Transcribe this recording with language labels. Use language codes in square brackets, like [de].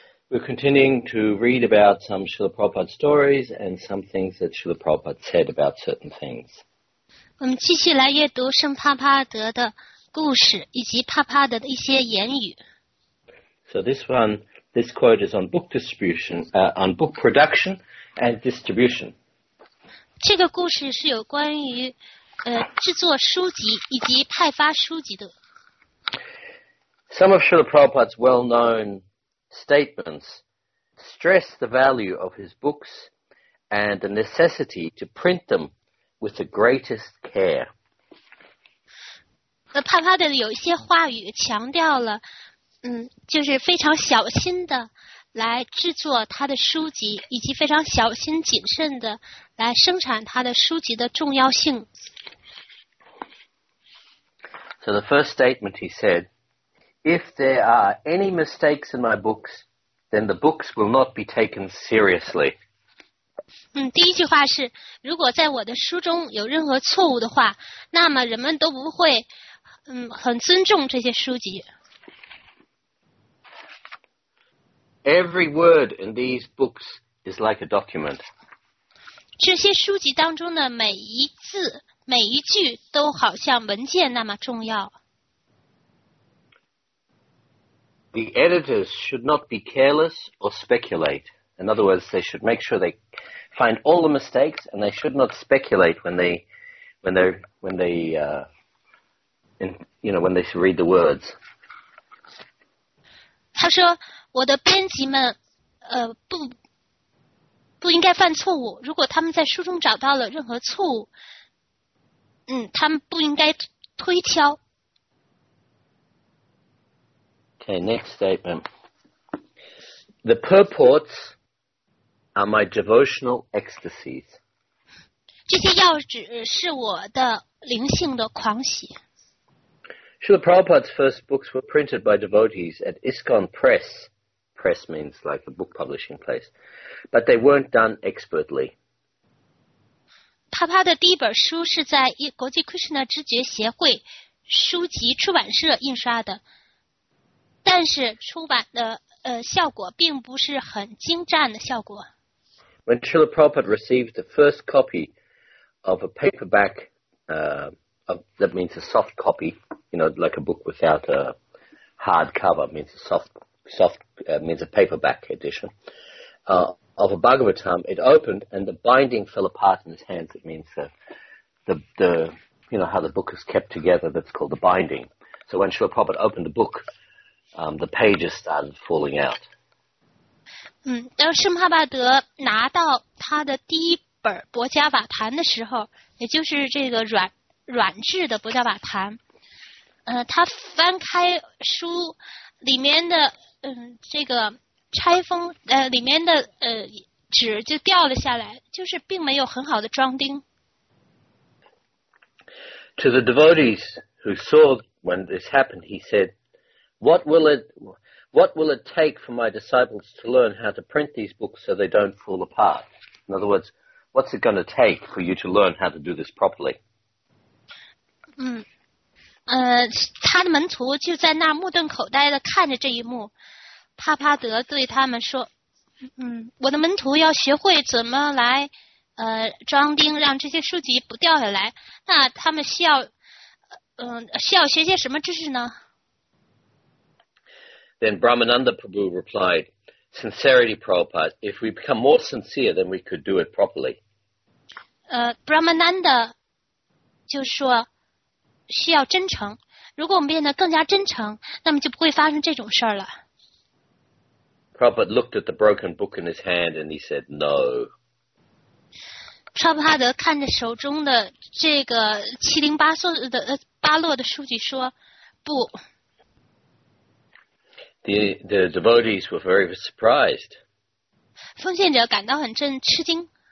[en] We're continuing to read about some Srila Prabhupada stories and some things that Srila Prabhupada said about certain things. [zh] 我们继续来阅读圣帕帕德的故事以及帕帕德的一些言语。 [en] So this quote is on book distribution, on book production and distribution. [zh] 这个故事是有关于制作书籍以及派发书籍的。 [en] Some of Srila Prabhupada's well-known statements stress the value of his books and the necessity to print them with the greatest care. [zh] 帕帕德有一些话语强调了，就是非常小心的来制作他的书籍，以及非常小心谨慎的来生产他的书籍的重要性。 [en] So the first statement he said, if there are any mistakes in my books, then the books will not be taken seriously. [zh] 第一句话是，如果在我的书中有任何错误的话，那么人们都不会，很尊重这些书籍。 [en] Every word in these books is like a document. [zh] 这些书籍当中的每一字每一句都好像文件那么重要。 [en] The editors should not be careless or speculate. In other words, they should make sure they find all the mistakes and they should not speculate when they read the words. [zh] 他说，我的编辑们，不应该犯错误。如果他们在书中找到了任何错误，他们不应该推敲。 [en] Okay, next statement. The purports are my devotional ecstasies. [zh] 这些要旨是我的灵性的狂喜。 [en] Srila Prabhupada's first books were printed by devotees at ISKCON Press. Press means like a book publishing place. But they weren't done expertly. [zh] 帕帕的第一本书是在国际 Krishna 知觉协会书籍出版社印刷的，但是出版的效果并不是很精湛的效果。 [en] When Srila Prabhupada received the first copy of a paperback, that means a soft copy, you know, like a book without a hard cover, means a means a paperback edition. Of a Bhagavatam, it opened and the binding fell apart in his hands. It means the you know, how the book is kept together, that's called the binding. So when Srila Prabhupada opened the book, the pages started falling out. [zh] 当圣帕帕德拿到他的第一本薄伽瓦坛的时候，也就是这个软质的薄伽瓦坛，他翻开书里面的这个拆封里面的纸就掉了下来，就是并没有很好的装钉。 [en] To the devotees who saw when this happened, he said, "What will it take for my disciples to learn how to print these books so they don't fall apart?" In other words, what's it going to take for you to learn how to do this properly? [zh] 他的门徒就在那目瞪口呆的看着这一幕。帕帕德对他们说，我的门徒要学会怎么来装钉，让这些书籍不掉下来。那他们需要学些什么知识呢？ [en] Then Brahmananda Prabhu replied, Sincerity, Prabhupada, if we become more sincere, then we could do it properly. [zh] Brahmananda 就说需要真诚，如果我们变得更加真诚，那么就不会发生这种事了。 [en] Prabhupada looked at the broken book in his hand and he said, No. [zh] 沙帕德看着手中的这个七零八落的巴洛的书籍说：“不。” [en] The devotees were very surprised. [zh] 奉献者感到很震吃惊。